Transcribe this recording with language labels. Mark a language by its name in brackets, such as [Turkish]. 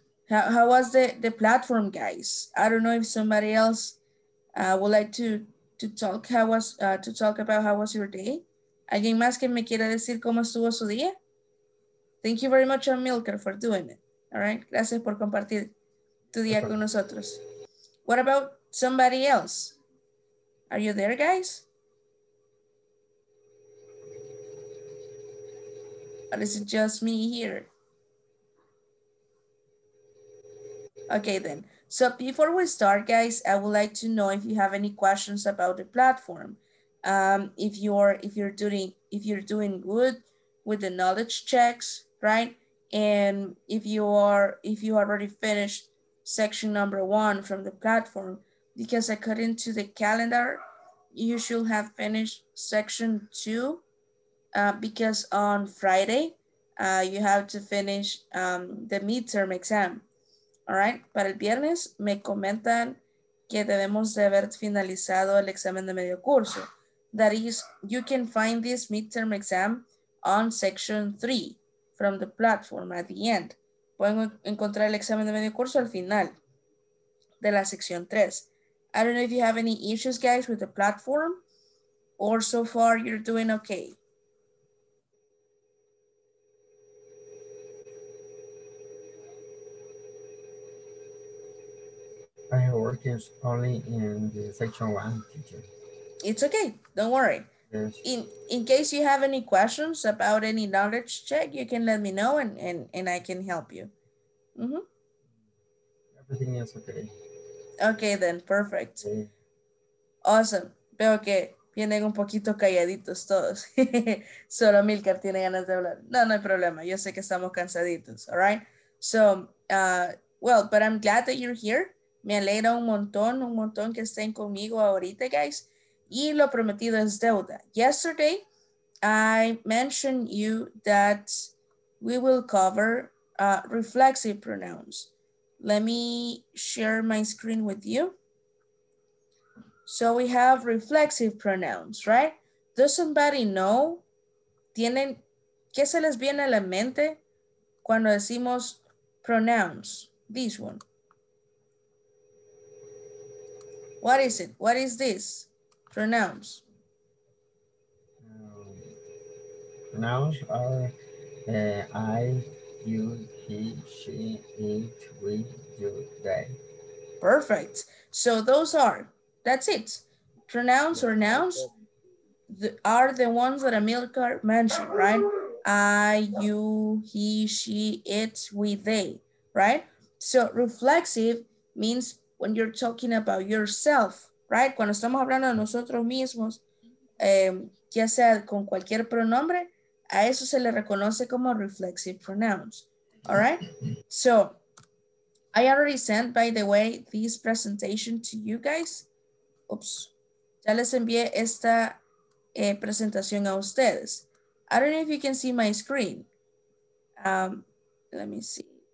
[English] How was the platform, guys? I don't know if somebody else would like to talk about how was your day. [Spanish] ¿Alguien más que me quiera decir cómo estuvo su día? [English] Thank you very much, Amilcar, for doing it. All right. [Spanish] Gracias por compartir tu día con nosotros. [English] What about somebody else? Are you there, guys? Or is it just me here? Okay, then. So before we start, guys, I would like to know if you have any questions about the platform. If you're doing good with the knowledge checks, right? And if you already finished section number one from the platform, because according to the calendar, you should have finished section two because on Friday, you have to finish the midterm exam. All right, [Spanish] para el viernes me comentan que debemos de haber finalizado el examen de medio curso. [English] That is, you can find this midterm exam on section three from the platform at the end. [Spanish] Pueden encontrar el examen de medio curso al final de la sección 3. [English] I don't know if you have any issues, guys, with the platform, or so far you're doing okay. My work is only in the section 1, teacher. It's okay, don't worry. In case you have any questions about any knowledge check, you can let me know and I can help you. Mm-hmm. Everything is okay. Okay, then, perfect. Okay. Awesome. [Spanish] Veo que vienen un poquito calladitos todos. Solo Milcar tiene ganas de hablar. No hay problema. Yo sé que estamos cansaditos, [English] all right? So, but I'm glad that you're here. [Spanish] Me alegra un montón que estén conmigo ahorita, guys. Y lo prometido es deuda. [English] Yesterday, I mentioned you that we will cover reflexive pronouns. Let me share my screen with you. So we have reflexive pronouns, right? Does somebody know? [Spanish] ¿Tienen qué se les viene a la mente cuando decimos pronouns? [English] This one. What is it? What is this? Pronouns. Pronouns are I, you, he, she, it, we, you, they. Perfect. So those are, that's it. Pronouns or nouns are the ones that Amilcar mentioned, right? I, you, he, she, it, we, they, right? So reflexive means when you're talking about yourself. Right? [Spanish] Cuando estamos hablando de nosotros mismos, ya sea con cualquier pronombre, a eso se le reconoce como reflexive pronouns. [English] All right? So, I already sent, by the way, this presentation to you guys. Oops. [Spanish] Ya les envié esta presentación a ustedes. [English] I don't know if you can see my screen. Let me see.